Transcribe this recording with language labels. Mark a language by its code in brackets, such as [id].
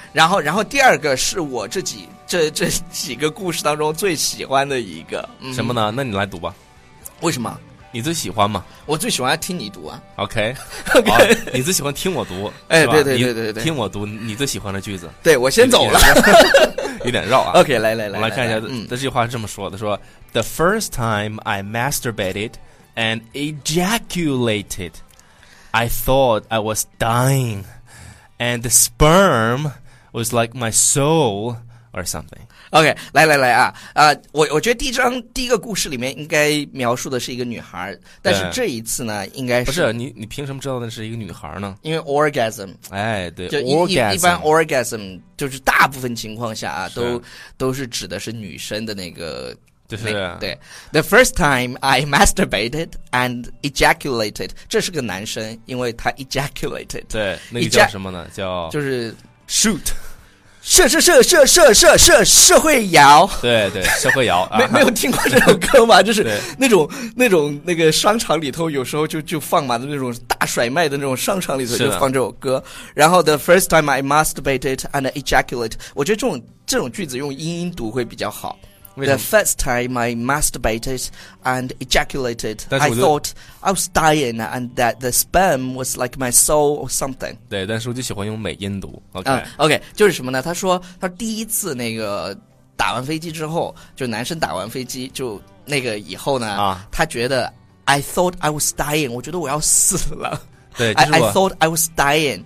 [zh] 然后第二个是我这几个故事当中最喜欢的一个。什么呢？那你来读吧。为什么？你最喜欢吗？我最喜欢听你读啊。 OK， 你最喜欢听我读。哎，对对对对对，听我读你最喜欢的句子。对，我先走了，有点绕啊。 OK， 来来来，我来看一下，这句话是这么说的：说 [en] The first time I masturbated and ejaculated, I thought I was dying, and the sperm was like my soul or something. [zh] OK， 来来来啊，我觉得第一个故事里面应该描述的是一个女孩，但是这一次呢，应该是不是你凭什么知道的是一个女孩呢？因为 orgasm，哎，对，就 [en] orgasm [zh] 一般 orgasm 就是大部分情况下啊，都是指的是女生的那个，就是对 ， [en] the first time I masturbated and ejaculated， [zh] 这是个男生，因为他 ejaculated，对，那个叫什么呢？叫就是 [en] shoot。 [zh] 射射射射射射射社会摇，对对，社会摇，没有听过这首歌吗？就是那种商场里头有时候就放嘛的那种大甩卖的那种商场里头就放这首歌。然后 [en] the first time I masturbated and ejaculated， [zh] 我觉得这种句子用英音读会比较好。 [en] The first time I masturbated and ejaculated, I thought I was dying and that the sperm was like my soul or something. [zh] 对，但是我就喜欢用美音读。 OK，就是什么呢？他说第一次那个打完飞机之后，就男生打完飞机就那个以后呢，他觉得 [en] I thought I was dying， [zh] 我觉得我要死了。对，就是、 [en] I thought I was dying，